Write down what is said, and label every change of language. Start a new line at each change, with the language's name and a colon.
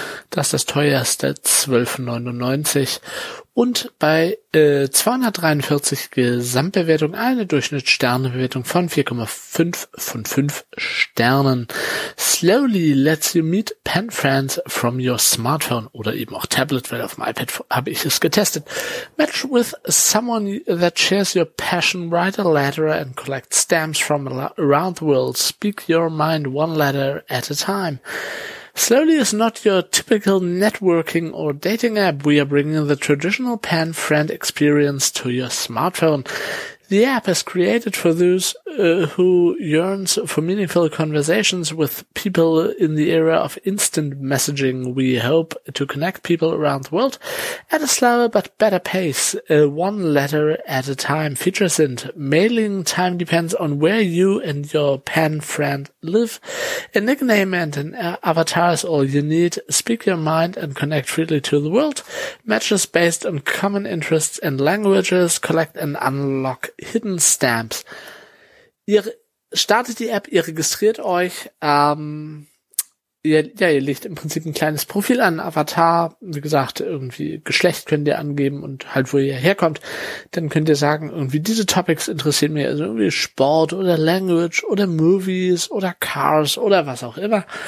German: Das ist das teuerste, 12,99. Und bei 243 Gesamtbewertung eine Durchschnittssternebewertung von 4,5 von 5 Sternen.
English: Slowly lets you meet pen friends from your smartphone
German: oder eben auch Tablet, weil auf dem iPad habe ich es getestet.
English: Match with someone that shares your passion, write a letter and collect stamps from around the world. Speak your mind one letter at a time. Slowly is not your typical networking or dating app. We are bringing the traditional pen friend experience to your smartphone. The app is created for those who yearns for meaningful conversations with people in the era of instant messaging. We hope to connect people around the world at a slower but better pace, one letter at a time. Features and mailing time depends on where you and your pen friend live. A nickname and an avatar is all you need. Speak your mind and connect freely to the world. Matches based on common interests and languages. Collect and unlock Hidden Stamps.
German: Ihr startet die App, ihr registriert euch, ihr legt im Prinzip ein kleines Profil an, Avatar, wie gesagt, irgendwie Geschlecht könnt ihr angeben und halt, wo ihr herkommt. Dann könnt ihr sagen, irgendwie diese Topics interessieren mich, also irgendwie Sport oder Language oder Movies oder Cars oder was auch immer.